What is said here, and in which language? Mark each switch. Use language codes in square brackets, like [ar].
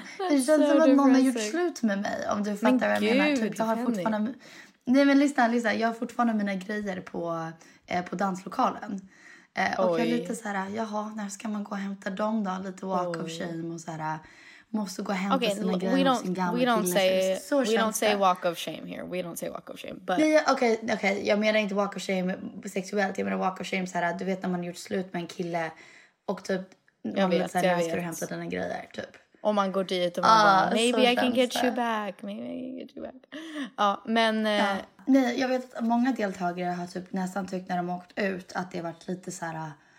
[sv] Det känns so som att någon har gjort slut med mig. Om du fattar vad jag menar. Typ, jag har fortfarande... Nej, men lyssna, jag har fortfarande mina grejer på danslokalen. Och jag är lite så här, jaha, när ska man gå och hämta dem då? Lite walk of shame och så här, måste gå och hämta sina grejer och sin gamla killefus. [en] We don't say walk of shame here. We don't say walk of shame. But... [sv] Okej, jag menar inte walk of shame sexuellt. Jag menar walk of shame så här, du vet när man gjort slut med en kille och typ, jag vet, så här, när ska du hämta dina grejer, typ. Om man går dit och man bara, [en] maybe I can get you back. [sv] Maybe I can get you back. Ja, men... Nej, jag vet att många deltagare har typ nästan tyckt när de åkt ut att det har varit lite så här...